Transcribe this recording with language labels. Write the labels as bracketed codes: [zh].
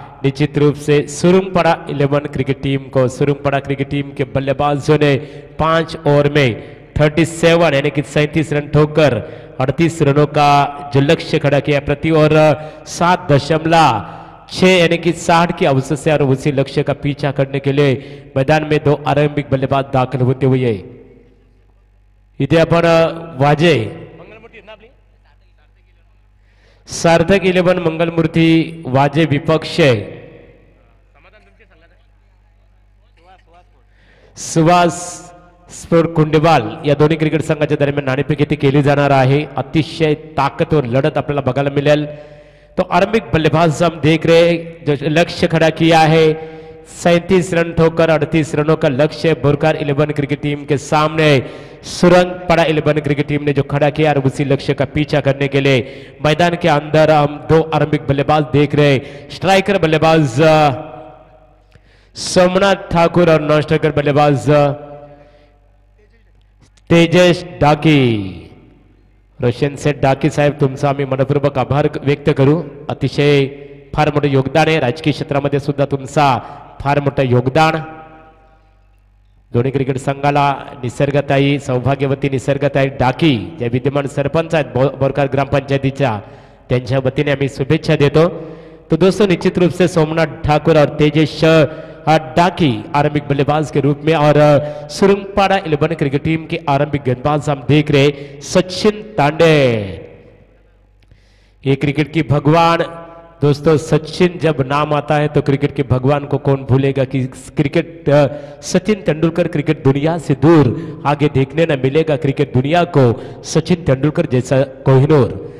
[hi] निश्चित रूप से सुरुंगपाड़ा 11 क्रिकेट टीम को सुरुंगपाड़ा क्रिकेट टीम के बल्लेबाजों ने 5 ओवर में 37 यानी कि 37 रन ठोककर 38 रनों का जो लक्ष्य खड़ा किया प्रति ओवर 7.6 यानी कि 60 की अवसर से और उसी लक्ष्य का पीछा करने के लिए मैदान में दो आरंभिक बल्लेबाज दाखिल होते हुए. [mr] इधे अपन वाजे सार्थक 11 मंगलमूर्ति वाजे विपक्ष सुवास स्पोर्ट कुंडेवाल या दोन्ही क्रिकेट संघाच्या दरम्यान नाणेफेक येथे केली जाणार आहे. अतिशय ताकदवर लढत आपल्याला बघायला मिळेल. [hi] तो आरंभिक बल्लेबाज हम देख रहे जो लक्ष्य खड़ा किया है 37 रन ठोकर 38 रनों का लक्ष्य बोरखर 11 क्रिकेट टीम के सामने. सुरंगपाड़ा 11 क्रिकेट टीम ने जो खड़ा किया और उसी लक्ष्य का पीछा करने के लिए मैदान के अंदर हम दो आरंभिक बल्लेबाज देख रहे हैं. स्ट्राइकर बल्लेबाज सोमनाथ ठाकुर और नॉन स्ट्राइकर बल्लेबाज तेजेश डाकी. [mr] रोशन से डाकी साहब तुमचा मी मनपूर्वक आभार व्यक्त करूं. अतिशय फार मोठं योगदान आहे राजकीय क्षेत्रामध्ये सुद्धा तुमचा फार मोठं योगदान. धोनी क्रिकेट संघाला निसर्गताई सौभाग्यवती निसर्गताई डाकी जे विद्यमान सरपंच आहेत बोरकर ग्राम पंचायतीच्या त्यांच्या वतीने आम्ही शुभेच्छा देतो. [hi] तो दोस्तों निश्चित रूप से सोमनाथ ठाकुर और तेजेश डाकी आरंभिक बल्लेबाज के रूप में और सुरंगपाड़ा 11 क्रिकेट टीम के आरंभिक गेंदबाज हम देख रहे सचिन तांडे. ये क्रिकेट की भगवान दोस्तों सचिन जब नाम आता है तो क्रिकेट के भगवान को कौन भूलेगा कि क्रिकेट सचिन तेंदुलकर क्रिकेट दुनिया से दूर आगे देखने न मिलेगा क्रिकेट दुनिया को सचिन तेंदुलकर जैसा कोहिनूर.